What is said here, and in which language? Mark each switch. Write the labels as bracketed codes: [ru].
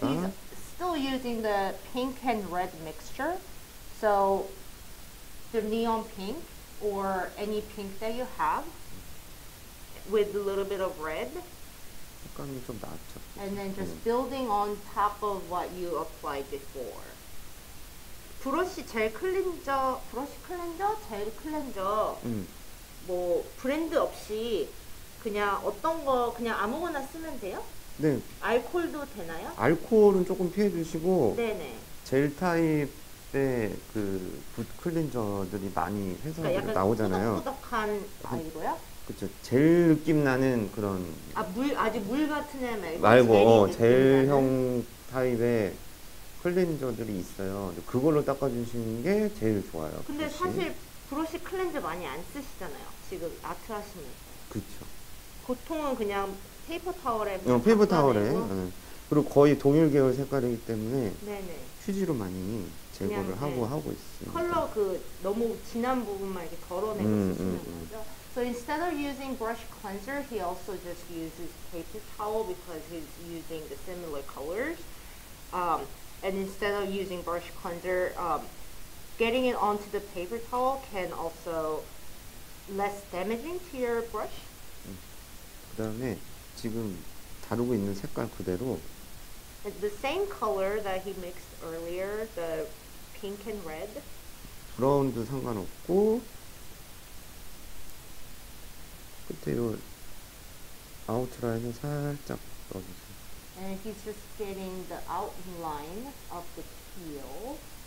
[en] So he's still using the pink and red mixture. So the neon pink or any pink that you have with a little bit of red. [ko] 색감이 좀 낮죠. [en] And then just building on top of what you applied before. [ko] 브러쉬 젤 클렌저, 브러쉬 클렌저, 젤 클렌저. 뭐 브랜드 없이 그냥 어떤 거 그냥 아무거나 쓰면 돼요? 네. 알코올도 되나요? 알코올은 조금 피해 주시고. 네네. 젤 타입의 그 붓 클렌저들이 많이 회사에서 그러니까 나오잖아요. 꾸덕한 아이고요. 그렇죠. 젤 느낌 나는 그런 아직 물 같은 애 말고 젤형 타입의 클렌저들이 있어요. 그걸로 닦아주시는 게 제일 좋아요. 근데 브러쉬. 사실 브러쉬 클렌저 많이 안 쓰시잖아요. 지금 아트 하시면서. 그렇죠. 보통은 그냥 페이퍼 타월에 페이퍼 타월에 그리고 거의 동일 계열 색깔이기 때문에 네네. 휴지로 많이 제거를 하고 있습니다. 컬러 그 너무 진한 부분만 이렇게 덜어내고 쓰시는 거죠. [en] So instead of using brush cleanser, he also just uses paper towel because he's using the similar colors. And instead of using brush cleanser, getting it onto the paper towel can also less damaging to your brush. [ko] 그 다음에 지금 다루고 있는 색깔 그대로. [en] The same color that he mixed earlier, the pink and red. [ko] 브라운도 상관없고 끝에 요 아웃라인을 살짝 넣어주세요. [en] And he's just getting the outline of the teal.